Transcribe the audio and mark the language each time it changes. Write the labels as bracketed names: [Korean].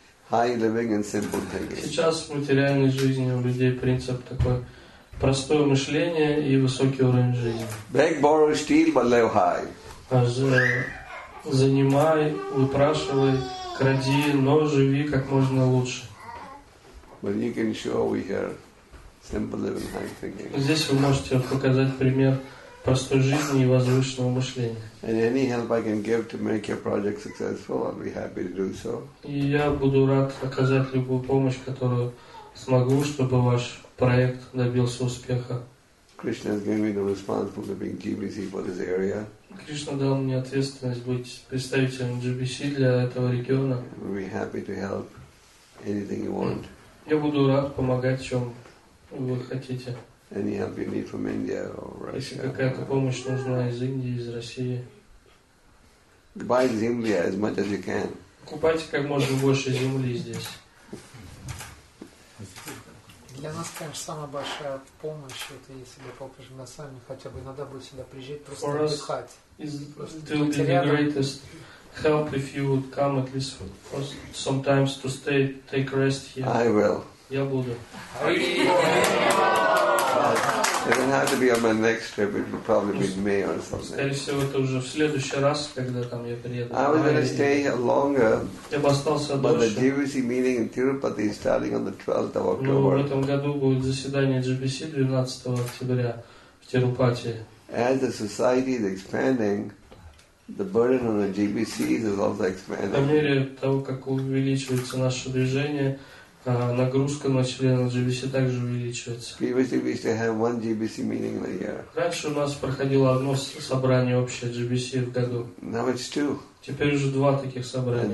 [Russian] Сейчас в материальной жизни у людей принцип такой. Простое мышление и высокий уровень жизни. [English] Beg, borrow, steal, but live high. [Russian] Занимай, выпрашивай, кради, но живи как можно лучше. [English] But you can show here simple living, high thinking. [Russian] Здесь вы можете показать пример простой жизни и возвышенного мышления. [English] And any help I can give to make your project successful, I'll be happy to do so. [Russian] И я буду рад оказать любую помощь, которую смогу, чтобы ваш проект добился успеха. [English] Krishna has given me the responsibility of being GBC for this area. [Russian] Кришна дал мне ответственность быть представителем GBC для этого региона. [English] We'll be happy to help anything you want. [Russian] Я буду рад помогать, чем вы хотите. [English] Any help you need from India or Russia. [Russian] Если какая-то помощь нужна из Индии, из России. [English] Buy земли as much as you can. [Russian] Купайте как можно больше земли здесь. Для нас, конечно, самая большая помощь, это если бы попросили нас сами, хотя бы иногда будет сюда приезжать, просто отдыхать. [English] It will be the greatest help if you would come at least for sometimes to stay, take rest here. I will. [Russian] Я буду. [English] It doesn't have to be on my next trip. It will probably be in May or something. [Russian] Скорее всего, это уже в следующий раз, когда там я приеду. [English] I was going to stay here longer. [Russian] Я бы остался дольше. [English] But the GBC meeting in Tirupati is starting on the 12th of October. [Russian] В этом году будет заседание GBC 12 октября в Тирупати. [English] As the society is expanding, the burden on the GBC is also expanding. [Russian] По мере того, как увеличивается наше движение. Нагрузка на члена GBC также увеличивается. [English] GBC meeting in a year. [Russian] Раньше у нас проходило одно собрание общее GBC в году. [English] Now it's two. [Russian] Теперь уже два таких собрания.